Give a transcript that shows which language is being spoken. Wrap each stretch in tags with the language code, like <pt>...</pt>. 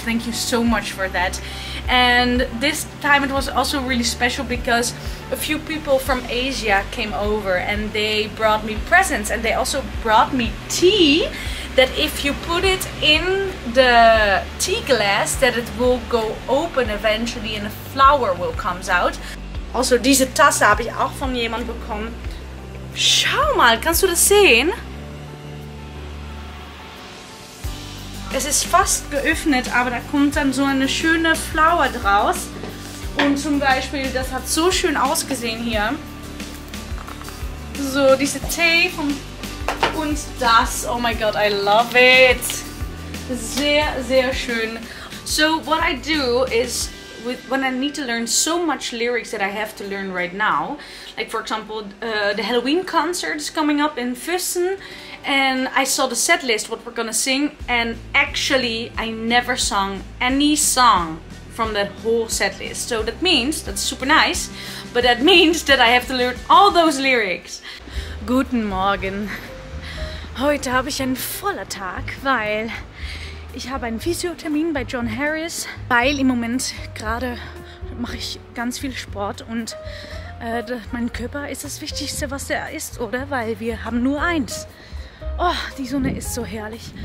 <en>Thank you so much for that. And this time it was also really special, because a few people from Asia came over and they brought me presents, and they also brought me tea that if you put it in the tea glass, that it will go open eventually and a flower will come out.</en> <nl>Also, deze tassen heb ik ook van iemand gekregen.</nl> <de>Schau mal, kannst du das sehen? Es ist fast geöffnet, aber da kommt dann so eine schöne Flower draus. Und zum Beispiel, das hat so schön ausgesehen hier. So, diese Tee von, und das.</de> <en>Oh my God, I love it.</en> <de>Sehr, sehr schön.</de> <en>So, what I do is, when I need to learn so much lyrics that I have to learn right now, like for example, the Halloween concert is coming up in Füssen, and I saw the set list, what we're gonna sing, and actually I never sung any song from that whole set list. So that means, that's super nice, but that means that I have to learn all those lyrics.</en> <de>Guten Morgen. Heute habe ich einen voller Tag, weil ich habe einen Physiotermin bei John Harris, weil im Moment gerade mache ich ganz viel Sport und mein Körper ist das Wichtigste, was er ist, oder? Weil wir haben nur eins. Oh, die Sonne ist so herrlich.</de>